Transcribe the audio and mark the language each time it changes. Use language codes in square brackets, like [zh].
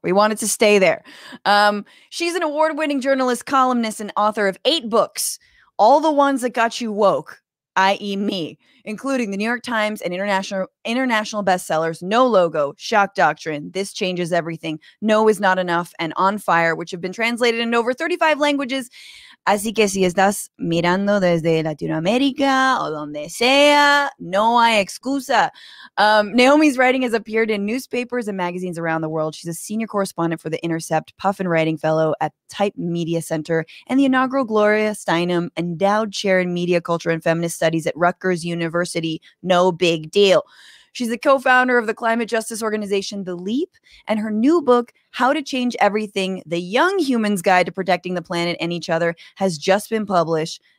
[en] We want it to stay there. She's an award-winning journalist, columnist, and author of 8 books. All the ones that got you woke, i.e. me, including the New York Times and international bestsellers No Logo, Shock Doctrine, This Changes Everything, No Is Not Enough, and On Fire, which have been translated in over 35 languages. [es] Así que si estás mirando desde Latinoamérica o donde sea, no hay excusa. [en] Naomi's writing has appeared in newspapers and magazines around the world. She's a senior correspondent for The Intercept, Puffin Writing Fellow at Type Media Center, and the inaugural Gloria Steinem Endowed Chair in Media, Culture, and Feminist Studies at Rutgers University. No big deal. She's the co-founder of the climate justice organization, The Leap, and her new book, How to Change Everything, The Young Human's Guide to Protecting the Planet and Each Other, has just been published.